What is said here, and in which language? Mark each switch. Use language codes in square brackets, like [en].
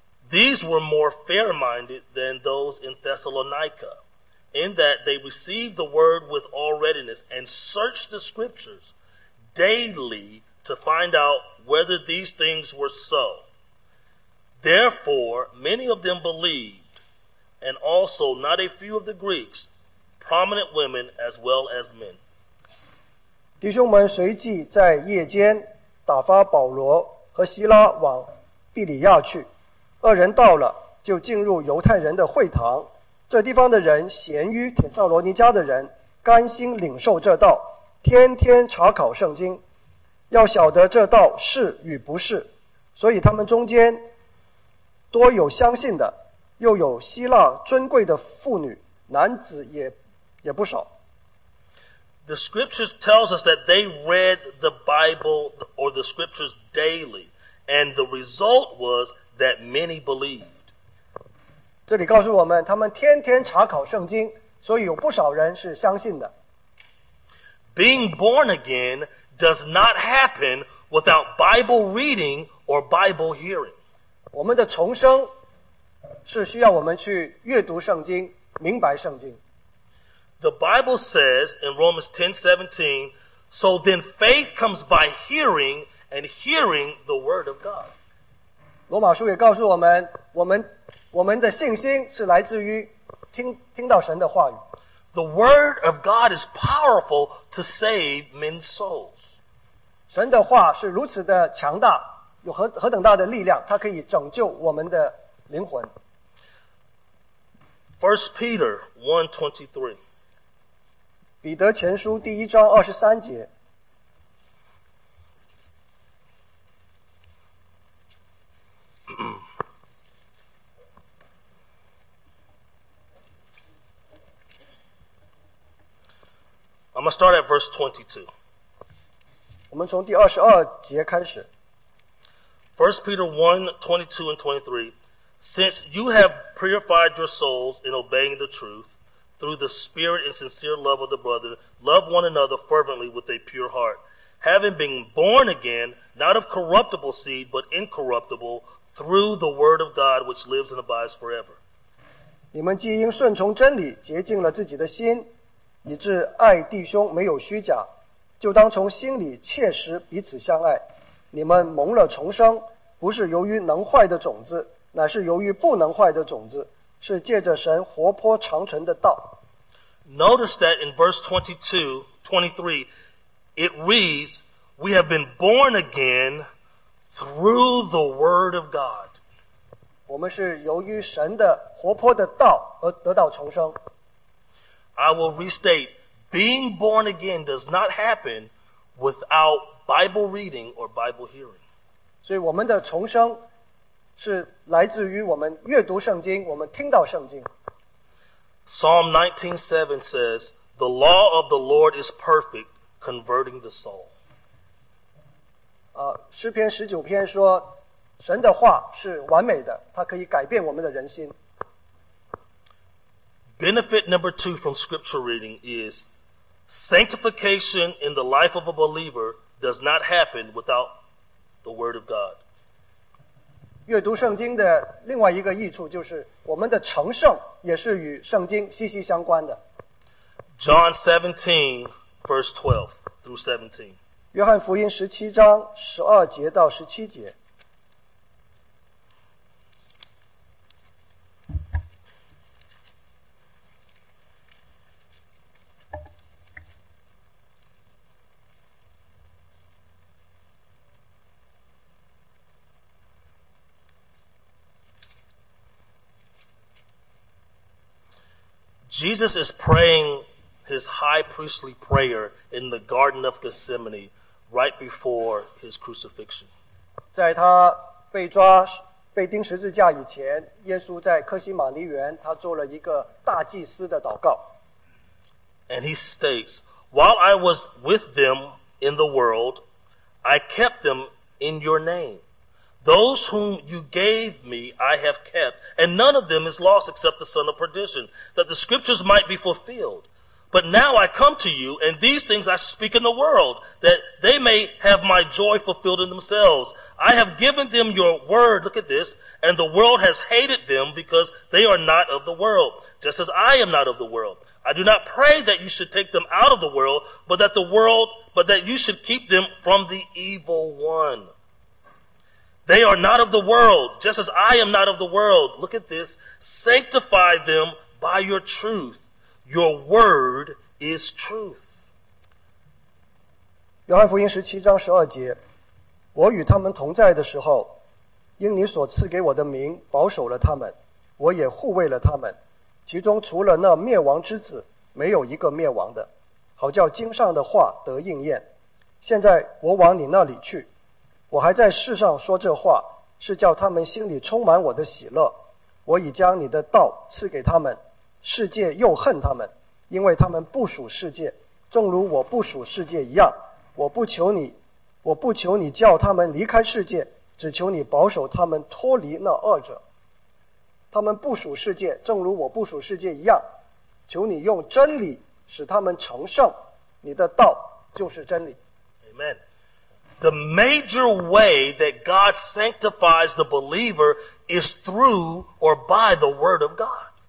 [en] These were more fair-minded than those in Thessalonica, in that they received the word with all readiness and searched the scriptures daily to find out whether these things were so. Therefore, many of them believed, and also not a few of the Greeks, prominent women as well as men. [zh] 弟兄们随即在夜间打发保罗和希拉往庇里亚去，二人到了就进入犹太人的会堂，这地方的人咸于铁萨罗尼加的人，甘心领受这道，天天查考圣经，要晓得这道是与不是，所以他们中间多有相信的，又有希腊尊贵的妇女，男子也不少。 [en] The scriptures tells us that they read the Bible or the scriptures daily, and the result was that many believed. [zh] 这里告诉我们，他们天天查考圣经，所以有不少人是相信的。 [en] Being born again does not happen without Bible reading or Bible hearing. [zh] 我们的重生是需要我们去阅读圣经，明白圣经。 [en] The Bible says in Romans 10:17, so then faith comes by hearing, and hearing the word of God. [zh] 罗马书也告诉我们，我们的信心是来自于听到神的话语。 [en] The word of God is powerful to save men's souls. [zh] 神的话是如此的强大，有何等大的力量，它可以拯救我们的灵魂。 [en] 1 Peter 1:23。 [zh] 彼得前书第一章二十三节。 [en] I'm gonna start at verse 22. [zh] 我们从第二十二节开始。 [en] 1 Peter 1:22-23. Since you have purified your souls in obeying the truth. Through the spirit and sincere love of the brother, love one another fervently with a pure heart, having been born again, not of corruptible seed, but incorruptible, through the word of God which lives and abides forever. [zh] 你们既因顺从真理洁净了自己的心，以致爱弟兄没有虚假，就当从心里切实彼此相爱。你们蒙了重生，不是由于能坏的种子，乃是由于不能坏的种子。是借着神活泼长存的道。 [en] Notice that in verse 22-23, it reads, we have been born again through the word of God. [zh] 我们是由于神的活泼的道而得到重生。 [en] I will restate, being born again does not happen without Bible reading or Bible hearing. [zh] 所以我们的重生是来自于我们阅读圣经，我们听到圣经。 [en] Psalm 19:7 says, "The law of the Lord is perfect, converting the soul." [zh] 诗篇十九篇说，神的话是完美的，它可以改变我们的人心。 [en] Benefit number two from scripture reading is sanctification in the life of a believer does not happen without the Word of God. [zh] 阅读圣经的另外一个益处就是我们的成圣也是与圣经息息相关的。 [en] John 17:12-17. [zh] 约翰福音十七章十二节到十七节。 [en] Jesus is praying his high priestly prayer in the Garden of Gethsemane right before his crucifixion. [zh] 在他被抓、被钉十字架以前，耶稣在科西马尼园，他做了一个大祭司的祷告。 [en] And he states, "While I was with them in the world, I kept them in your name. Those whom you gave me, I have kept, and none of them is lost except the son of perdition, that the scriptures might be fulfilled. But now I come to you, and these things I speak in the world, that they may have my joy fulfilled in themselves. I have given them your word, look at this, and the world has hated them because they are not of the world, just as I am not of the world. I do not pray that you should take them out of the world, but that you should keep them from the evil one. They are not of the world, just as I am not of the world. Look at this. Sanctify them by your truth. Your word is truth. [zh] 17章12节, 我与他们同在的时候, 因你所赐给我的名, 保守了他们, 我也护卫了他们, 其中除了那灭亡之子, 没有一个灭亡的, 好叫经上的话得应验, 现在我往你那里去, 我还在世上说这话, 是叫他们心里充满我的喜乐, 我已将你的道赐给他们, 世界又恨他们, 因为他们不属世界, 正如我不属世界一样, 我不求你, 我不求你叫他们离开世界, 只求你保守他们脱离那恶者。他们不属世界, 正如我不属世界一样, 求你用真理使他们成圣, 你的道就是真理。 [en] Amen. The major way that God sanctifies the believer is through or by the word of God.